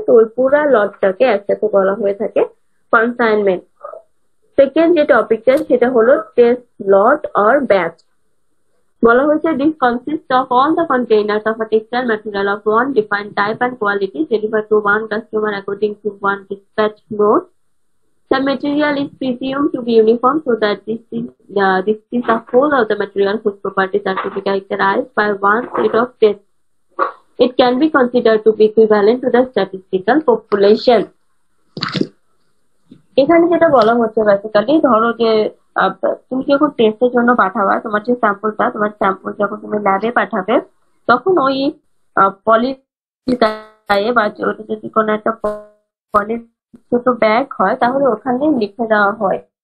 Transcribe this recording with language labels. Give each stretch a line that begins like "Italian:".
Bangla: তো ওই পুরো লটটাকে একসাথে বলা হয়ে থাকে কনসাইনমেন্ট। সেকেন্ড যে টপিকটা সেটা হলো টেস্ট লট অর ব্যাচ। বলা হয়েছে
English: This consist of all the containers of a textile material of one defined type and quality deliver to one customer according to one dispatch note. The material is presumed to be uniform so that this is the whole of the material whose properties are to be characterized by one set of tests. It can be considered to be equivalent to the statistical population.
Bangla: এখানে যেটা বলা হচ্ছে basically, ধরো যে তুমি যখন টেস্টের জন্য পাঠাবা তোমার যে স্যাম্পলটা, তোমার স্যাম্পল যখন তুমি ল্যাবে পাঠাবে, তখন ওই পলিসিটাকে বা ওটা যদি কোন একটা পলিসি ছোট ব্যাগ হয়, তাহলে ওখানে লিখে দেওয়া হয়